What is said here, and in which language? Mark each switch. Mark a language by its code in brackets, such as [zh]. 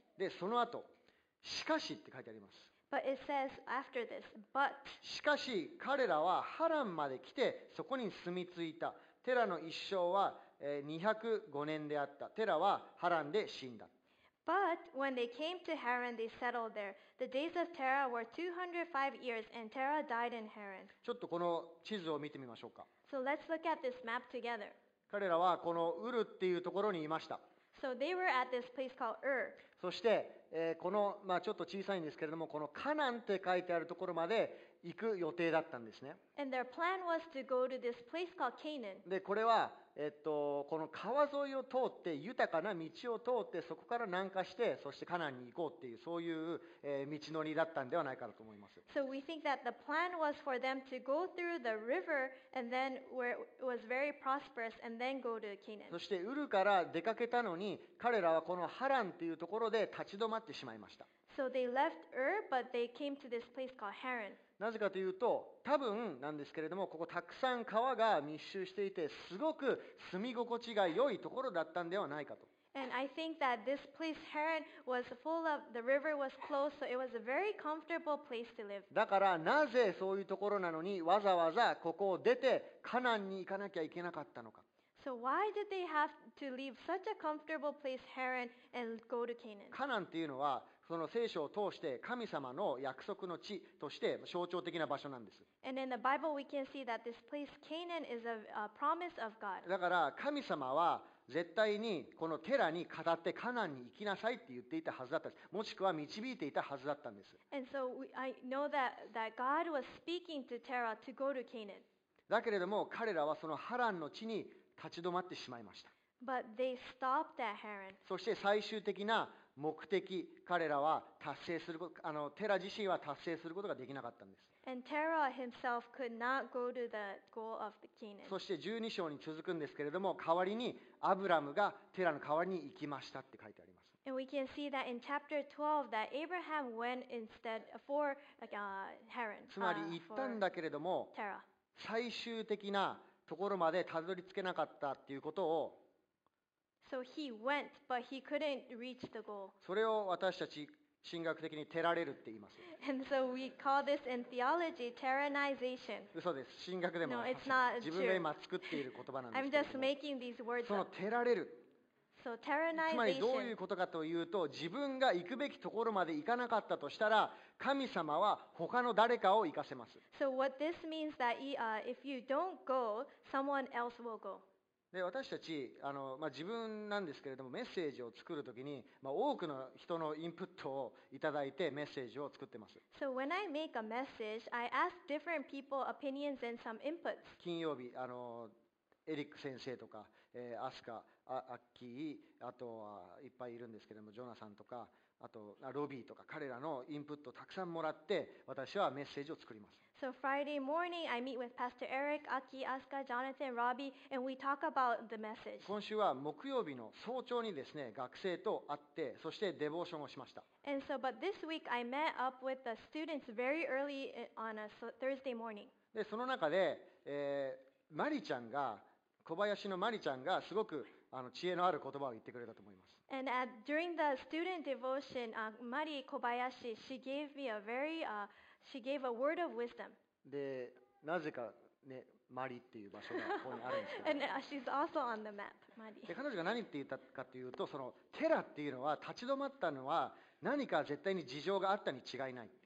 [ja] でその後しかしって書いてあります。 [en] But it says after this, but [ja] しかし彼らはハランまで来てそこに住み着いた。テラの一生は205年であった。テラはハランで死んだ。 [en] But when they came to Haran, they settled there. The days of Terah were 205 years, and Terah died in Haran. [ja] ちょっとこの地図を見てみましょうか。 [en] So let's look at this map together. [ja] 彼らはこのウルっていうところにいました。 [en] So they were at this place called Ur. [ja] そして、この、まあ、ちょっと小さいんですけれども、このカナンって書いてあるところまで行く予定だったんですね。 [en] And their plan was to go to this place called Canaan. [ja] で、これは、この川沿いを通って豊かな道を通ってそこから南下してそしてカナンに行こうっていうそういう道のりだったんではないかなと思います。 [en] So we think that the plan was for them to go through the river and then where it was very prosperous and then go to Canaan. [ja] そしてウルから出かけたのに彼らはこのハランっていうところで立ち止まってしまいました。 [en] So they left Ur, but they came to this place called Haran. [ja] なぜかというと、多分なんですけれども、ここたくさん川が密集していて、すごく住み心地が良いところだったんではないかと。 [en] And I think that this place, Haran, was full of, the river was close, so it was a very comfortable place to live. [ja] だからなぜそういうところなのに、わざわざここを出て、カナンに行かなきゃいけなかったのか。 [en] So why did they have to leave such a comfortable place, Haran, and go to Canaan? [ja] カナンっていうのは、その聖書を通して神様の約束の地として象徴的な場所なんです。だから神様は絶対にこのテラに語ってカナンに行きなさいって言っていたはずだったんです。もしくは導いていたはずだったんです。 [en] And so I know that God was speaking to Terah to go to Canaan. [ja] だけれども彼らはそのハランの地に立ち止まってしまいました。 [en] But they stopped at Haran. [ja] そして最終的な目的、彼らは達成すること、テラ自身は達成することができなかったんです。 [en] And Terah himself could not go to the goal of the Canaan. [ja] そして12章に続くんですけれども、代わりにアブラムがテラの代わりに行きましたって書いてあります。 [en] And we can see that in chapter 12 that Abraham went instead for Haran. [ja] つまり行ったんだけれども、 [en] Terah. [ja] 最終的なところまでたどり着けなかったっていうことを。 [en] So he went, but he couldn't reach the goal. [ja] それを私たち神学的にテラレルって言います。 [en] And so we call this in theology teranization. [ja] 嘘です。神学でも。 [en] No, it's not true. [ja] 自分が今作っている言葉なんです。 [en] I'm just making these words up. [ja] そのテラレル。 [en] So teranization. [ja] つまりどういうことかというと、自分が行くべきところまで行かなかったとしたら、神様は他の誰かを行かせます。 [en] So what this means that if you don't go, someone else will go. [ja] で私たち自分なんですけれどもメッセージを作るときに、多くの人のインプットをいただいてメッセージを作ってます。 [en] So when I make a message, I ask different people opinions and some inputs. [ja] 金曜日エリック先生とか、アスカ、アッキー、あとはいっぱいいるんですけれども、ジョナサンとか、あとロビーとか、彼らのインプットをたくさんもらって、私はメッセージを作ります。 [en] So Friday morning, I meet with Pastor Eric, Aki, Asuka, Jonathan, Robbie, and we talk about the message. [ja] 今週は木曜日の早朝にですね、学生と会って、そしてデボーションをしました。 [en] And so, but this week, I met up with the students very early on a Thursday morning. [ja] で、その中で、マリちゃんが、小林のマリちゃんがすごく知恵のある言葉を言ってくれたと思います。 [en] And during the student devotion, Mari Kobayashi, she gave me a very, she gave a word of wisdom. [ja] で、なぜかね、マリっていう場所がここにあるんですけど。 [en] And she's also on the map, Mari. [ja] で、彼女が何って言ったかというと、そのテラっていうのは立ち止まったのは何か絶対に事情があったに違いない。